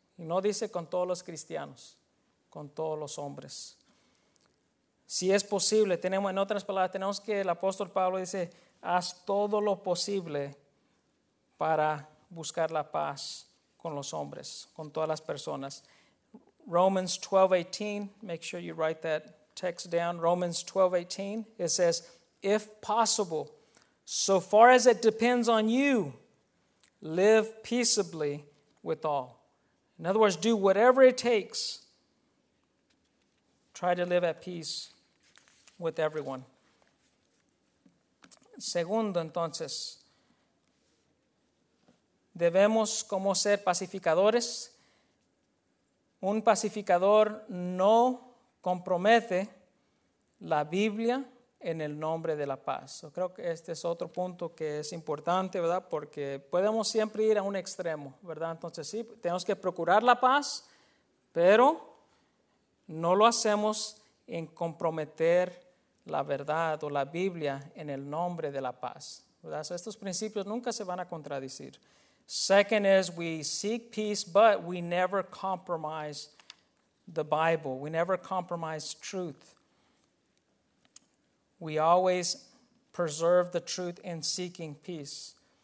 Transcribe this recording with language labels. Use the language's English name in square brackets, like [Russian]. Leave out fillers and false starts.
[Spanish] Y no dice con todos los cristianos, con todos los hombres. Si es posible, tenemos, en otras palabras, tenemos que el apóstol Pablo dice: haz todo lo posible para buscar la paz con los hombres, con todas las personas. [English] Romans 12:18, make sure you write that text down. Romans 12:18, it says, if possible, so far as it depends on you, live peaceably with all. In other words, do whatever it takes. Try to live at peace with everyone. [Spanish] Segundo, entonces, debemos como ser pacificadores. Un pacificador no compromete la Biblia en el nombre de la paz. Yo creo que este es otro punto que es importante, ¿verdad? Porque podemos siempre ir a un extremo, ¿verdad? Entonces, sí, tenemos que procurar la paz, pero no lo hacemos en comprometer la verdad o la Biblia en el nombre de la paz, ¿verdad? So estos principios nunca se van a contradecir. [English] Second is, we seek peace, but we never compromise the Bible. We never compromise truth. We always preserve the truth in seeking peace.